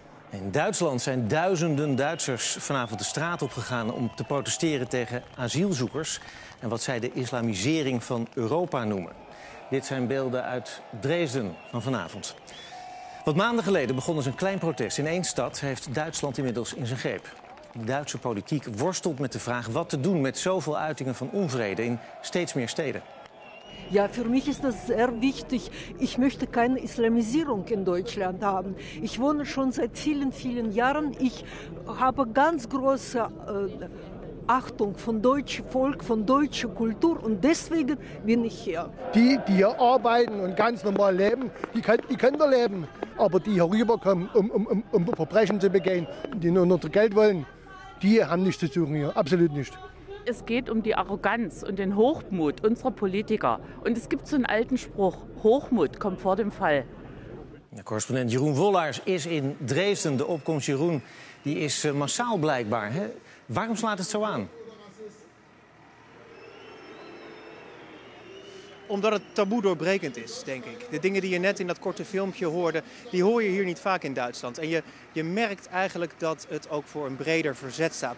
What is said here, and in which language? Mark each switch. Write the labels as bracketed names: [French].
[Dutch] In Duitsland zijn duizenden Duitsers vanavond de straat opgegaan om te protesteren tegen asielzoekers en wat zij de islamisering van Europa noemen. Dit zijn beelden uit Dresden van vanavond. Wat maanden geleden begon als een klein protest in 1 stad, heeft Duitsland inmiddels in zijn greep. De Duitse politiek worstelt met de vraag wat te doen met zoveel uitingen van onvrede in steeds meer steden. [German] Ja, für mich ist das sehr wichtig. Ich möchte keine Islamisierung in Deutschland haben. Ich wohne schon seit vielen, vielen Jahren. Ich habe ganz große Achtung von deutschem Volk, von deutscher Kultur und deswegen bin ich hier. Die, die hier arbeiten und ganz normal leben, die können da leben. Aber die hier rüberkommen, um Verbrechen zu begehen, die nur unser Geld wollen, die haben nichts zu suchen hier, absolut nichts. Es geht um die Arroganz und den Hochmut unserer Politiker. Und es gibt so einen alten Spruch, Hochmut kommt vor dem Fall. Der Korrespondent Jeroen Wollaars ist in Dresden. [Dutch] De opkomst, Jeroen, die ist massaal blijkbaar. Hè? Warum slaat het zo aan? Omdat het taboe doorbrekend is, denk ik. De dingen die je net in dat korte filmpje hoorde, die hoor je hier niet vaak in Duitsland. En je merkt eigenlijk dat het ook voor een breder verzet staat.